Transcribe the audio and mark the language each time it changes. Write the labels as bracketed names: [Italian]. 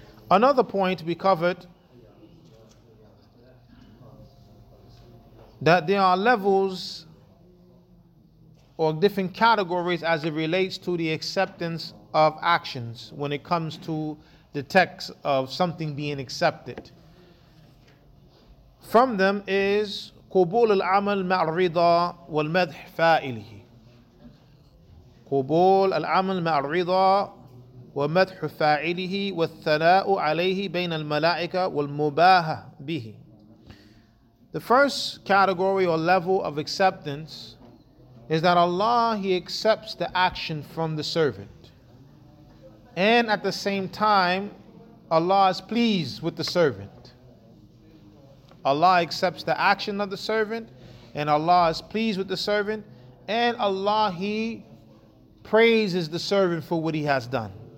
[English] Another point we covered, that there are levels or different categories as it relates to the acceptance of actions when it comes to the text of something being accepted. From them is [Arabic] قبول العمل مع الرضا والمدح فاعله. قبول العمل مع الرضا ومدح فاعله والثناء عليه بين الملائكة والمباهة به. [English] The first category or level of acceptance is that Allah, He accepts the action from the servant. And at the same time, Allah is pleased with the servant. Allah accepts the action of the servant, and Allah is pleased with the servant, and Allah, He praises the servant for what he has done.